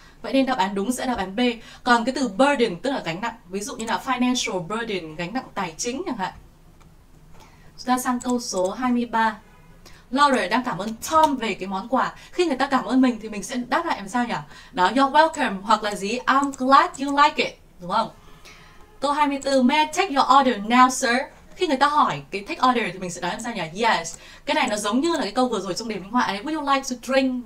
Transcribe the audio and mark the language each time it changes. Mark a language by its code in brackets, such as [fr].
[vi] Vậy nên đáp án đúng sẽ đáp án B. Còn cái từ burden tức là gánh nặng, ví dụ như là [en] financial burden, [vi] gánh nặng tài chính chẳng hạn. Chúng ta sang câu số 23. Laura đang cảm ơn Tom về cái món quà. Khi người ta cảm ơn mình thì mình sẽ đáp lại làm sao nhỉ? Đó, [en] you're welcome [vi] hoặc là gì? [en] I'm glad you like it, [vi] đúng không? Câu 24, [en] may I take your order now, sir? [vi] Khi người ta hỏi cái take order thì mình sẽ nói làm sao nhỉ? Yes. Cái này nó giống như là cái câu vừa rồi trong đề minh họa ấy. [en] Would you like to drink?